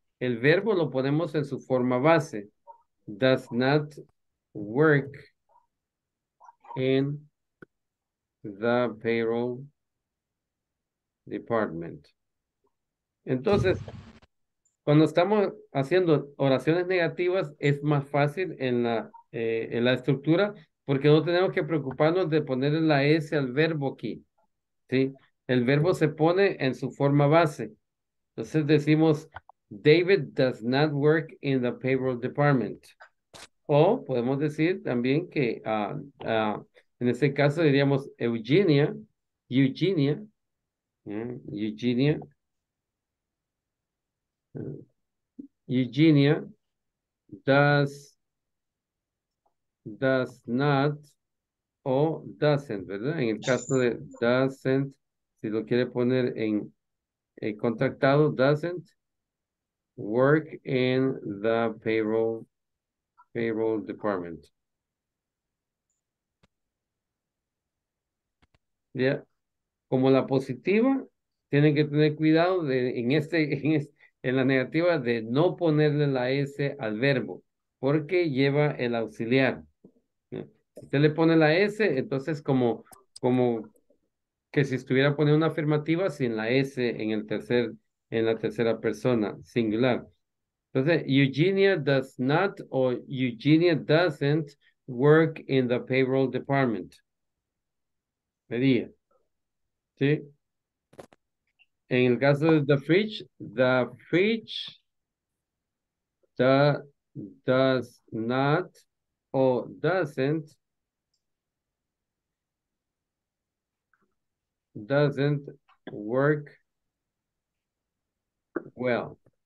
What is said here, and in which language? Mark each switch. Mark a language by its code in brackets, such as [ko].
[es] El verbo lo ponemos en su forma base, [en] does not work in the payroll department. [es] Entonces, cuando estamos haciendo oraciones negativas, es más fácil en la estructura, porque no tenemos que preocuparnos de ponerle la S al verbo aquí, ¿sí? El verbo se pone en su forma base. [en] Entonces decimos, David does not work in the payroll department. [es] O podemos decir también que, en ese caso diríamos, Eugenia doesn't, ¿verdad? En el caso de doesn't, si lo quiere poner en el contactado, [en] doesn't work in the payroll department. [es] Ya, yeah. Como la positiva, tienen que tener cuidado de en la negativa de no ponerle la S al verbo, porque lleva el auxiliar. Si usted le pone la S, entonces como que si estuviera poniendo una afirmativa sin la S en la tercera persona, singular. Entonces, [en] Eugenia does not [es] o [en] Eugenia doesn't work in the payroll department. [es] Sería. ¿Sí? En el caso de [en] the fridge does not or doesn't work well.